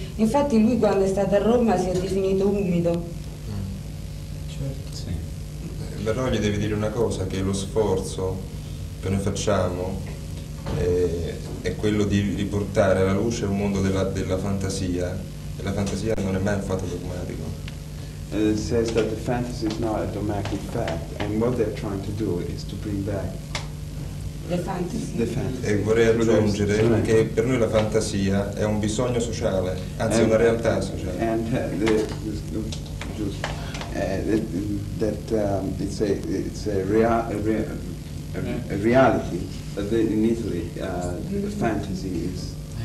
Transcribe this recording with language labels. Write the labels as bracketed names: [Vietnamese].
[Italian] Infatti lui quando è stato a Roma si è definito umido. Certo, sì. Però gli devi dire una cosa, che lo sforzo che noi facciamo è quello di riportare alla luce un mondo della fantasia. La fantasia non è mai un fatto dogmatico. [English] And it says that the fantasy is not a dogmatic fact, and what they're trying to do is to bring back the fantasy. [Italian] E vorrei aggiungere che per noi la fantasia è un bisogno sociale, anzi una realtà sociale. [English] And it's a reality, but in Italy the fantasy is.